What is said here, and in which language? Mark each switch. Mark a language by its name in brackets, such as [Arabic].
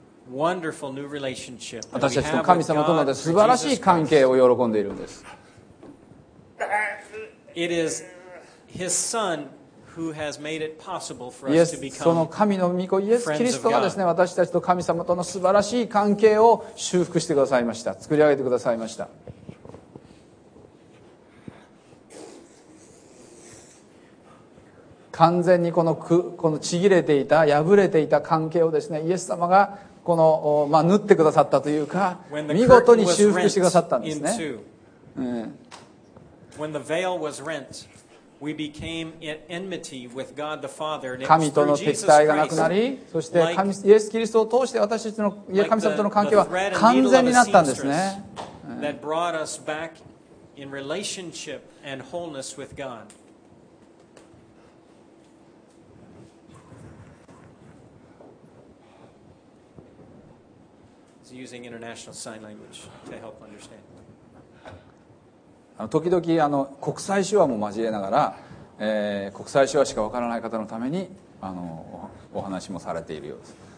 [Japanese] 私たちと神様との素晴らしい関係を喜んでいるんです。 [English] It is His Son who has made it possible for us to become friends of God. [Japanese] その神の御子イエス・キリストがですね、私たちと神様との素晴らしい関係を修復してくださいました。作り上げてくださいました。完全にこのちぎれていた、破れていた関係をですね、イエス様がこの縫ってくださったというか、見事に修復してくださったんですね。 [English] When the veil was rent, we became at enmity with God the Father. [Japanese] 神との敵対がなくなり、そして神イエス・キリストを通して私たちの神様との関係は完全になったんですね。 [English] That brought us back in relationship and wholeness with God. He's using international sign language to help understand. [Japanese] 時々国際手話も交えながら、国際手話しか分からない方のためにお話もされているようです、